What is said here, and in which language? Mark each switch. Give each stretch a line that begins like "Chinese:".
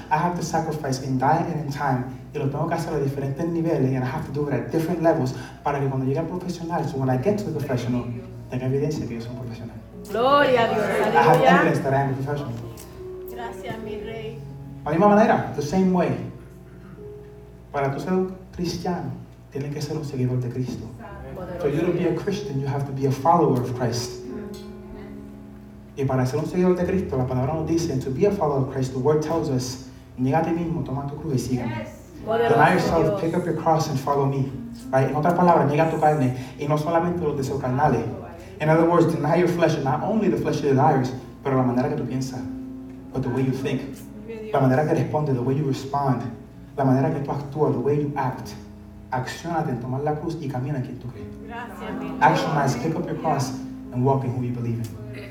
English: I have to sacrifice in diet and in time.
Spanish: Y lo tengo que hacer a diferentes niveles.
English: And I have to do it at different levels
Spanish: para que cuando llegue al profesional,
English: so when I get to the professional,
Spanish: tenga evidencia que yo soy un profesional. Gloria a Dios.
English: I have evidence that I am a professional.
Spanish: Gracias, mi rey. A la misma manera,
English: the same way.
Spanish: Para tú ser un cristiano, tienes que ser un seguidor de Cristo.
English: For you to be a Christian, you have to be a follower of Christ.
Spanish: Y para ser un seguidor de Cristo, la palabra nos dice,
English: and to be a follower of Christ, the word tells us,
Spanish: niega a ti mismo, toma tu cruz y sígueme.
English: Deny yourself, pick up your cross and follow me. Right?
Spanish: En otras palabras, niega tu carne, y no solamente los deseos carnales.
English: In other words, deny your flesh, not only the fleshly desires,
Spanish: pero la manera que tú piensas,
English: but the way you think,
Spanish: la manera que respondes,
English: the way you respond,
Spanish: la manera que tú actúas,
English: the way you act.
Spanish: Accionate en tomar la cruz y camina quien tú crees.
English: Actionize, pick up your cross and walk in who you believe in.